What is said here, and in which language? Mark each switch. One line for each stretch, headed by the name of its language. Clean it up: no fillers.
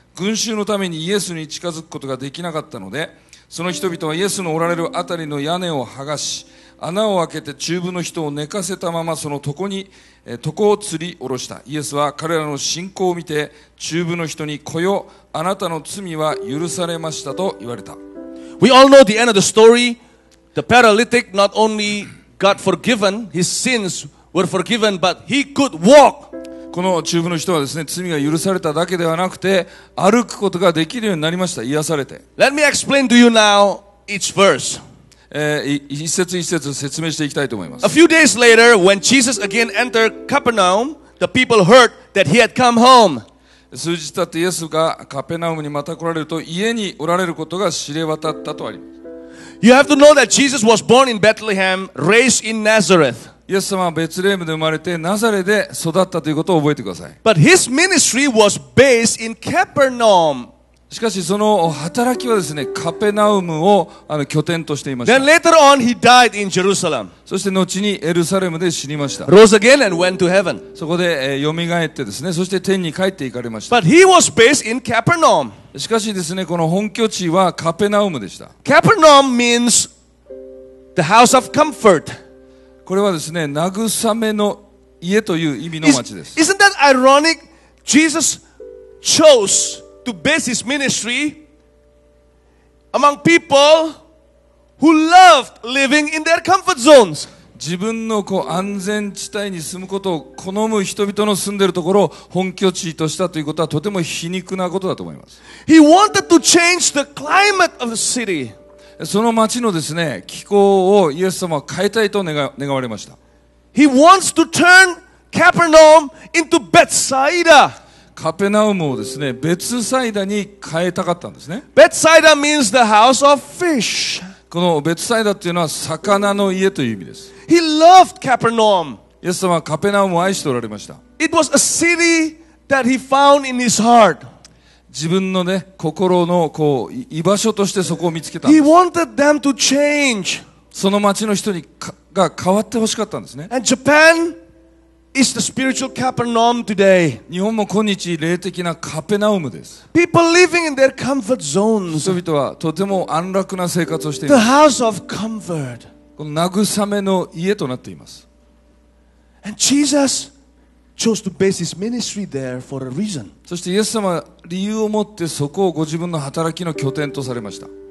Japanese: 群衆のためにイエスに近づくことができなかったので、その人々はイエスのおられるあたりの屋根を剥がし、穴を開けて中部の人を寝かせたままその床に、床を吊り下ろした。イエスは彼らの信仰を見て中部の人に、来よ、あなたの罪は許されましたと言われた。
English: We all know the end of the story. The paralytic not only got forgiven, his sins were forgiven, but he could walk.
Japanese: この中部の人はですね、罪が許されただけではなくて歩くことができるようになりました。癒されて。
English: Let me explain to you now each verse.
Japanese: 一節一節説明していきたいと思います。
English: A few days later, when Jesus again entered Capernaum, the people heard that he had come home.
Japanese: 数日経ってイエスがカペナウムにまた来られると、家におられることが知れ渡ったとあります。
English: You have to know that Jesus was born in Bethlehem, raised in Nazareth.
Japanese: イエス様はベツレヘムで生まれてナザレで育ったということを覚えてください。
English: But his ministry was based in Capernaum.
Japanese: しかしその働きはですね、カペナウムを拠点としていました。
English: Then later on he died in Jerusalem.
Japanese: そして後にエルサレムで死にました。
English: Rose again and went to heaven.
Japanese: そこで蘇ってですね、そして天に帰っていかれました。
English: But he was based in Capernaum.
Japanese: しかしですね、この本拠地はカペナウムでした。
English: Capernaum means the house of comfort.
Japanese: これはですね、慰めの家という意味の町です。
English: Isn't that ironic? Jesus chose to base his ministry among people who loved living in their comfort zones.
Japanese: 自分のこう安全地帯に住むことを好む人々の住んでいるところを本拠地としたということはとても皮肉なことだと思います。
English: He wanted to change the climate of the city.
Japanese: その町のですね、気候をイエス様は変えたいと願われました。
English: He wants to turn Capernaum into Bethsaida.
Japanese: カペナウムをですね、ベツサイダに変えたかったんですね。
English: Bethsaida means the house of fish.
Japanese: このベツサイダっていうのは魚の家という意味です。
English: He loved Capernaum.
Japanese: イエス様はカペナウムを愛しておられました。
English: It was a city that he found in his heart.
Japanese: 自分のね、心のこう居場所としてそこを見つけたんです。
English: He wanted them to change.
Japanese: その町の人にが変わってほしかったんですね。
English: And Japan is the spiritual Capernaum today.
Japanese: 日本も今日霊的なカペナウムです。
English: People living in their comfort zones.
Japanese: 人々はとても安楽な生活をしています。
English: The house of comfort.
Japanese: この慰めの家となっています。
English: And Jesus. Chose to base his ministry there for a reason.
Japanese: そしてイエス様は理由を持ってそこをご自分の働きの拠点とされました。